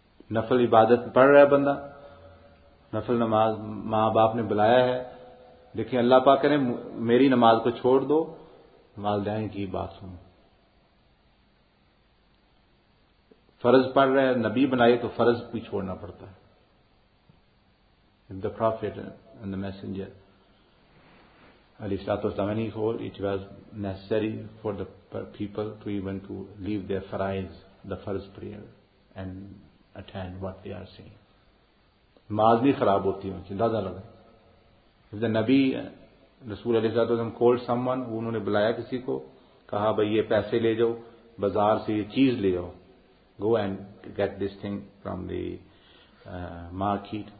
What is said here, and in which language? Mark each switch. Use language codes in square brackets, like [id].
[ur] نفل عبادت پڑھ رہا ہے بندہ, نفل نماز ماں باپ نے بلایا ہے, دیکھیں اللہ پاک کہہ رہے میری نماز کو چھوڑ دو, والدین کی بات سنو. فرض پڑھ رہا ہے نبی بنائے تو فرض بھی چھوڑنا پڑتا ہے. [en] The prophet and the messenger علی سلاط وسلام, it was necessary for the people to even to leave their فرائز دا فرض prayer and attend what they are saying. [ur] نماز بھی خراب ہوتی ہے ان سے, اندازہ لگا دا نبی رسول علی سلاط وسلم [en] call someone, [ur] انہوں نے بلایا کسی کو, کہا بھائی یہ پیسے لے جاؤ بازار سے, یہ چیز لے جاؤ, [en] Go and get this thing from the market.